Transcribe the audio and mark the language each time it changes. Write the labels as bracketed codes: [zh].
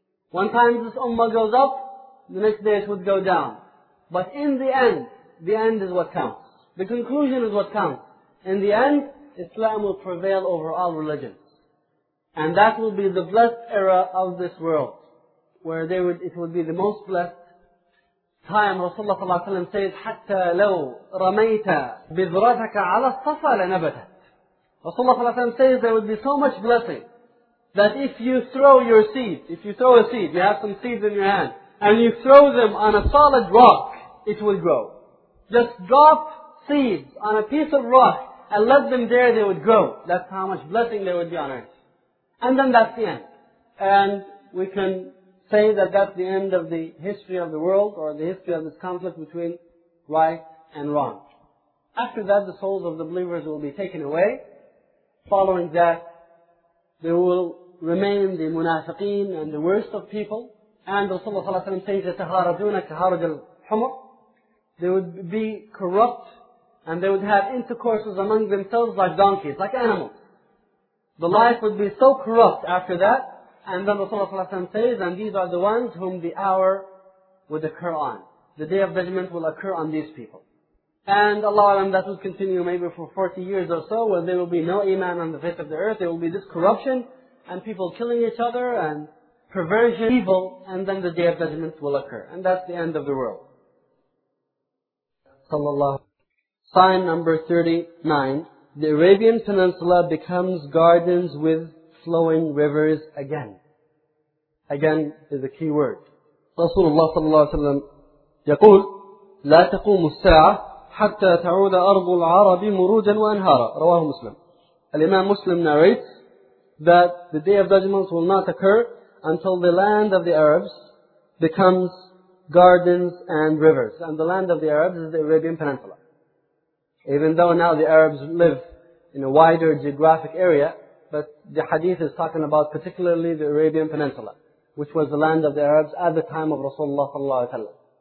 [en] One time this ummah goes up, the next day it would go down. But in the end is what counts. The conclusion is what counts. In the end, Islam will prevail over all religions. And that will be the blessed era of this world, where it would be the most blessed time. Rasulullah sallallahu alaihi wasallam says, [ar] حَتَّى لَوْ رَمَيْتَ بِذْرَتَكَ عَلَى الصَّفَى لَنَبَتَتْ. [en] Rasulullah sallallahu alaihi wasallam says there would be so much blessing that if you throw your seed, if you throw a seed, you have some seeds in your hand, and you throw them on a solid rock, it will grow. Just drop seeds on a piece of rock and let them there, they would grow. That's how much blessing there would be on earth. And then that's the end. And we can say that that's the end of the history of the world, or the history of this conflict between right and wrong. After that, the souls of the believers will be taken away. Following that, there will remain the munafiqeen and the worst of people. And Rasulullah ﷺ says, [ar] يَتَهَارَدُونَ كَهَارَدُ الْحُمُرِ. [en] They would be corrupt, and they would have intercourses among themselves like donkeys, like animals. The life would be so corrupt after that. And then Rasulullah ﷺ says, and these are the ones whom the hour would occur on. The day of judgment will occur on these people. And Allah Alam, that will continue maybe for 40 years or so, where there will be no iman on the face of the earth. There will be this corruption and people killing each other and perversion, evil, and then the day of judgment will occur. And that's the end of the world. Sallallahu. Sign number 39. The Arabian Peninsula becomes gardens with flowing rivers again. Again is a key word. Rasulullah sallallahu alayhi wa sallam [ar] يقول لا تقوم الساعة حتى تعود أرض العرب مروجا وأنهارا. رواه مسلم. [en] الإمام مسلم narrates that the day of judgment will not occur until the land of the Arabs becomes gardens and rivers. And the land of the Arabs is the Arabian Peninsula. Even though now the Arabs live in a wider geographic area, but the hadith is talking about particularly the Arabian Peninsula, which was the land of the Arabs at the time of Rasulullah sallallahu alaihi wasallam.